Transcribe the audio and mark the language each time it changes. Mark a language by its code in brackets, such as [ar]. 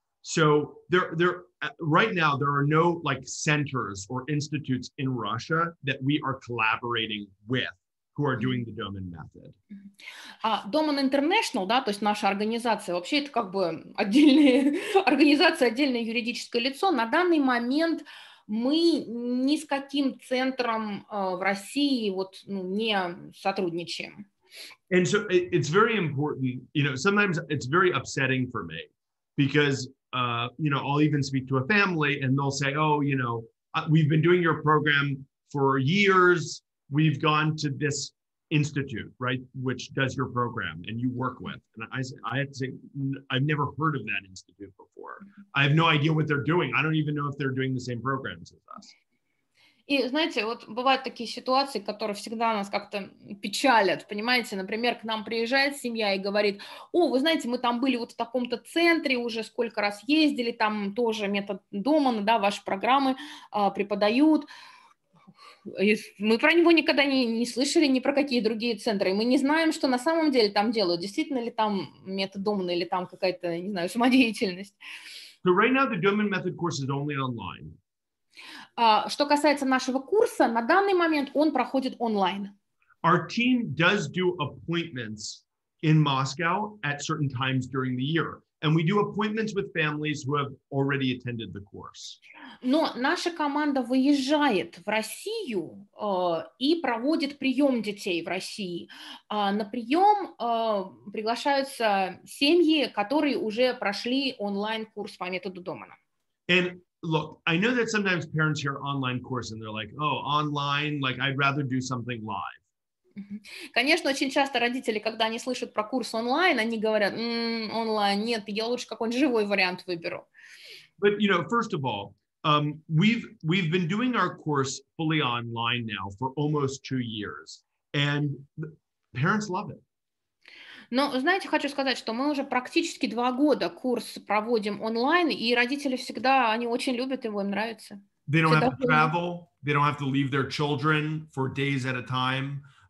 [en] So there right now there are no like centers or institutes in Russia that we are collaborating with. Who are doing the Domain method? [ru] Domain International, да, то есть наша организация, вообще это как бы отдельная организация, отдельное юридическое лицо. На данный момент мы ни с каким центром в России вот не сотрудничаем. [en] And so it's very important, you know, sometimes it's very upsetting for me because, you know, I'll even speak to a family and they'll say, oh, you know, we've been doing your program for years. We've gone to this institute, right, which does your program and you work with. And I have to say, I've never heard of that institute before. I have no idea what they're doing. I don't even know if they're doing the same programs as us. [ru] И знаете, вот бывают такие ситуации, которые всегда нас как-то печалят, понимаете? Например, к нам приезжает семья и говорит, о, вы знаете, мы там были вот в таком-то центре, уже сколько раз ездили, там тоже метод Домана, да, ваши программы преподают. Мы про него никогда не слышали ни про какие другие центры. Мы не знаем, что на самом деле там делают. Действительно ли там метод Домана или там какая-то, не знаю, самодеятельность. [en] So right now the Domain method course is only online. [ru] Что касается нашего курса, на данный момент он проходит онлайн. [en] Our team does do appointments in Moscow at certain times during the year. And we do appointments with families who have already attended the course. [ru] Но наша команда выезжает в Россию и проводит прием детей в России. На прием приглашаются семьи, которые уже прошли онлайн-курс по методу Домана. [en] And look, I know that sometimes parents hear online course and they're like, oh, online, like I'd rather do something live. [ru] Конечно, очень часто родители, когда они слышат про курс онлайн, они говорят, онлайн, нет, я лучше какой-нибудь живой вариант выберу. [en] But, you know, first of all, we've been doing our course fully online now for almost 2 years, and parents love it. [ru] Но, знаете, хочу сказать, что мы уже практически 2 года курс проводим онлайн, и родители всегда, они очень любят его, им нравится. [en] They don't have to travel, they don't have to leave their children for days at a time.